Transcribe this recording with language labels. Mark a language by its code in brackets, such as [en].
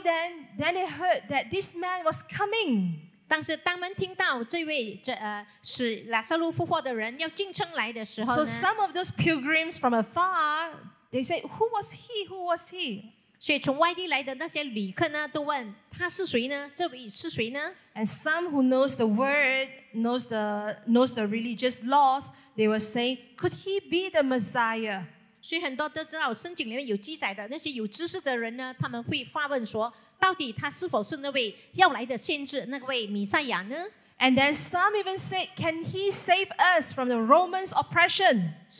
[en] then they heard that this man was coming. [zh] 但是当他们听到这位使拉撒路复活的人要进城来的时候呢， [en] So some of those pilgrims from afar, they said, who was he? Who was he? [zh] 所以从外地来的那些旅客呢，都问他是谁呢？这位是谁呢？ [en] And some who knows the word, knows the religious laws, they were saying, could he be the Messiah? [zh] 所以很多都知道圣经里面有记载的那些有知识的人呢，他们会发问说，到底他是否是那位要来的先知，那位弥赛亚呢？ [en] And then some even said, can he save us from the Romans' oppression?